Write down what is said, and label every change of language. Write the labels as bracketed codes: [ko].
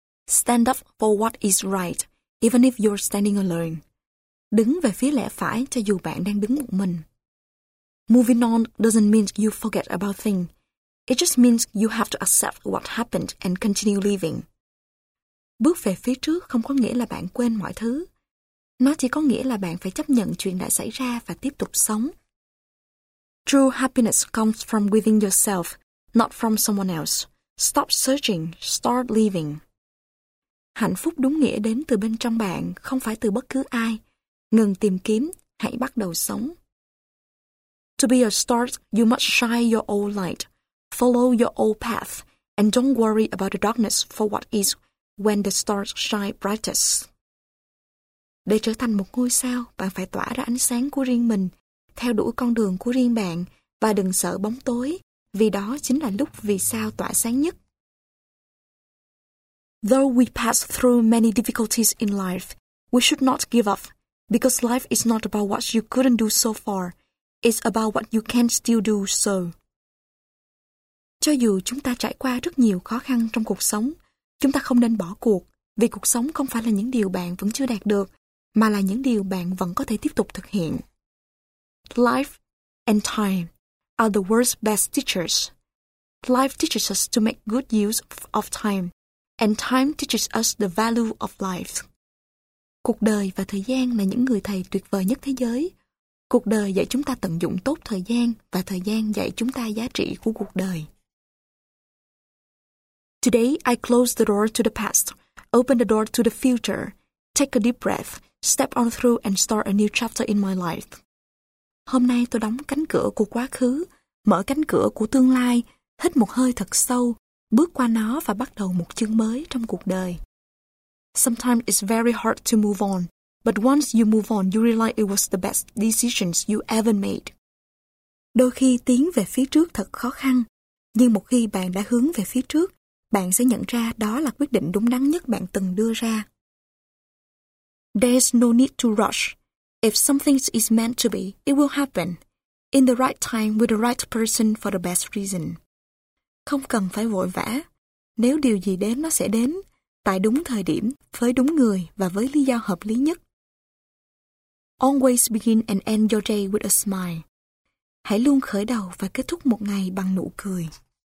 [en] Stand up for what is right, even if you're standing alone. [vi] Đứng về phía lẽ phải cho dù bạn đang đứng một mình. [en] Moving on doesn't mean you forget about things. It just means you have to accept what happened and continue living. [vi] Bước về phía trước không có nghĩa là bạn quên mọi thứ. Nó chỉ có nghĩa là bạn phải chấp nhận chuyện đã xảy ra và tiếp tục sống. [en] True happiness comes from within yourself, not from someone else. Stop searching, start living. [vi] Hạnh phúc đúng nghĩa đến từ bên trong bạn, không phải từ bất cứ ai. Ngừng tìm kiếm, hãy bắt đầu sống. [en] To be a star, you must shine your old light. Follow your old path, and don't worry about the darkness for what is when the stars shine brightest. [vi] Để trở thành một ngôi sao, bạn phải tỏa ra ánh sáng của riêng mình, theo đuổi con đường của riêng bạn và đừng sợ bóng tối, vì đó chính là lúc vì sao tỏa sáng nhất. [en] Though we pass through many difficulties in life, we should not give up, because life is not about what you couldn't do so far, it's about what you can still do so. [vi] Cho dù chúng ta trải qua rất nhiều khó khăn trong cuộc sống, chúng ta không nên bỏ cuộc, vì cuộc sống không phải là những điều bạn vẫn chưa đạt được, mà là những điều bạn vẫn có thể tiếp tục thực hiện. [en] Life and time are the world's best teachers. Life teaches us to make good use of time, and time teaches us the value of life. [vi] Cuộc đời và thời gian là những người thầy tuyệt vời nhất thế giới. Cuộc đời dạy chúng ta tận dụng tốt thời gian và thời gian dạy chúng ta giá trị của cuộc đời. [en] Today, I close the door to the past, open the door to the future, take a deep breath, step on through and start a new chapter in my life. [vi] Hôm nay tôi đóng cánh cửa của quá khứ, mở cánh cửa của tương lai, hít một hơi thật sâu, bước qua nó và bắt đầu một chương mới trong cuộc đời. [en] Sometimes it's very hard to move on, but once you move on, you realize it was the best decisions you ever made. [vi] Đôi khi tiến về phía trước thật khó khăn, nhưng một khi bạn đã hướng về phía trước, bạn sẽ nhận ra đó là quyết định đúng đắn nhất bạn từng đưa ra. [en] There's no need to rush. If something is meant to be, it will happen. In the right time, with the right person for the best reason. [vi] Không cần phải vội vã. Nếu điều gì đến, nó sẽ đến. Tại đúng thời điểm, với đúng người và với lý do hợp lý nhất. [en] Always begin and end your day with a smile. [vi] Hãy luôn khởi đầu và kết thúc một ngày bằng nụ cười.